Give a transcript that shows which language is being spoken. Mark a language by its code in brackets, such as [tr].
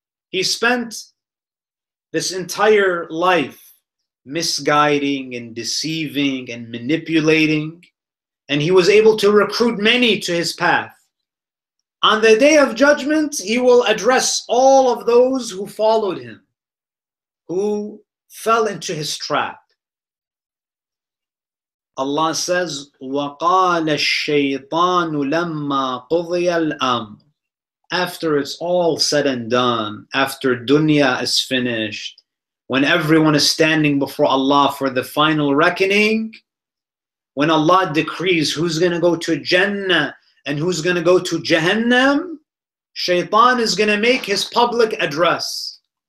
[en] He spent this entire life misguiding and deceiving and manipulating, and he was able to recruit many to his path. On the Day of Judgment, he will address all of those who followed him, who fell into his trap. Allah says, [ar] وَقَالَ الشَّيْطَانُ لَمَّا قُضِيَ الْأَمْرُ. [en] After it's all said and done, after dunya is finished, when everyone is standing before Allah for the final reckoning, when Allah decrees who's going to go to Jannah and who's going to go to Jahannam, Shaytan is going to make his public address.